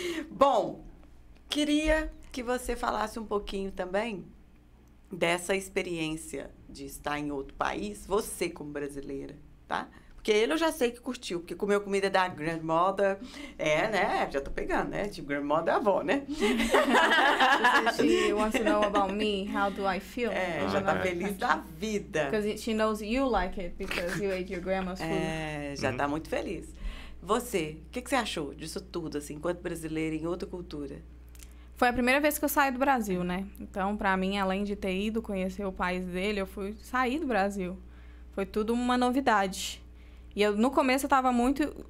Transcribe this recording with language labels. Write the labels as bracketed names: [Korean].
[Portuguese] Bom, queria que você falasse um pouquinho também dessa experiência de estar em outro país, você como brasileira. Porque ele eu já sei que curtiu, porque comeu comida da grandmother, é, né? Já tô pegando, né? Tipo, grandmother é avó, né? [English] She wants to know about me, how do I feel? [Portuguese] É, já tá feliz da vida. [English] Because she knows you like it, because you ate your grandma's food. [Portuguese] É, já tá muito feliz. Você, o que, que você achou disso tudo, assim, enquanto brasileira em outra cultura? Foi a primeira vez que eu saí do Brasil, né? Então, pra mim, além de ter ido conhecer o país dele, eu fui sair do Brasil. Foi tudo uma novidade. E eu, no começo, eu tava muito...